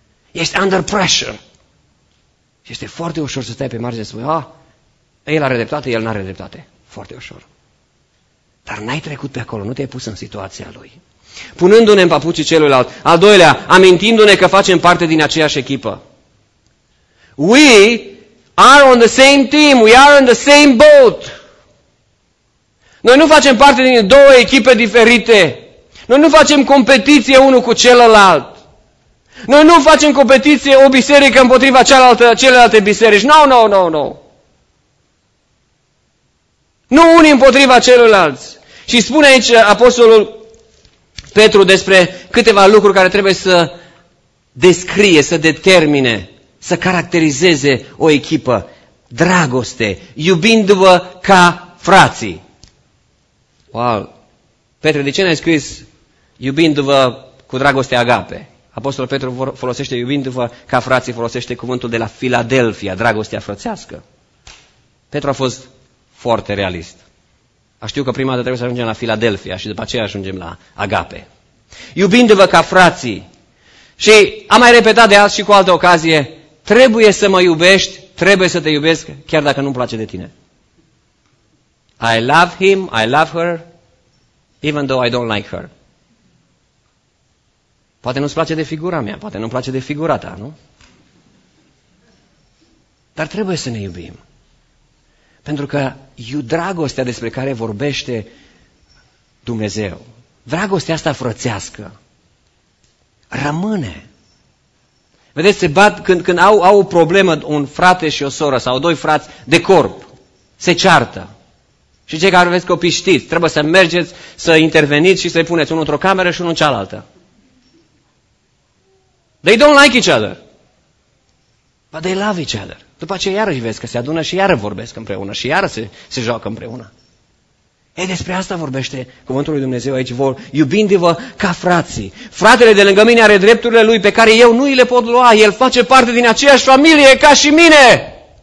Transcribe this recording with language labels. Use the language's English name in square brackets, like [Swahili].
[Romanian] Ești [English] under pressure. [Romanian] Și este foarte ușor să stai pe margine și să spui, el are dreptate, el n-are dreptate. Foarte ușor. Dar n-ai trecut pe acolo, nu te-ai pus în situația lui. Punându-ne în papucii celuilalt. Al doilea, amintindu-ne că facem parte din aceeași echipă. [English] We are on the same team, we are in the same boat. [Romanian] Noi nu facem parte din două echipe diferite. Noi nu facem competiție unul cu celălalt. Noi nu facem competiție o biserică împotriva celelalte biserici. No. Nu unii împotriva celorlalți. Și spune aici apostolul Petru despre câteva lucruri care trebuie să descrie, să determine, să caracterizeze o echipă. Dragoste, iubindu-vă ca frații. Wow. Petru, de ce n-ai scris iubindu-vă cu dragoste agape? Apostolul Petru folosește iubindu-vă ca frații, folosește cuvântul de la Filadelfia, dragostea frățească. Petru a fost foarte realist. Știu că prima dată trebuie să ajungem la Filadelfia și după aceea ajungem la Agape. Iubindu-vă ca frații. Și am mai repetat de azi și cu altă ocazie, trebuie să mă iubești, trebuie să te iubesc, chiar dacă nu-mi place de tine. [English] I love him, I love her, even though I don't like her. [Romanian] Poate nu-ți place de figura mea, poate nu-mi place de figura ta, nu? Dar trebuie să ne iubim. Pentru că dragostea despre care vorbește Dumnezeu, dragostea asta frățească, rămâne. Vedeți, se bat când au o problemă un frate și o soră sau doi frați de corp, se ceartă. Și cei care aveți copii știți, trebuie să mergeți, să interveniți și să-i puneți unul într-o cameră și unul în cealaltă. [English] They don't like each other. But they love each other. [Romanian] După aceea iarăși vezi că se adună și iară vorbesc împreună și iară se joacă împreună. E, despre asta vorbește cuvântul lui Dumnezeu aici. Iubindu-vă ca frații. Fratele de lângă mine are drepturile lui pe care eu nu îi le pot lua. El face parte din aceeași familie ca și mine.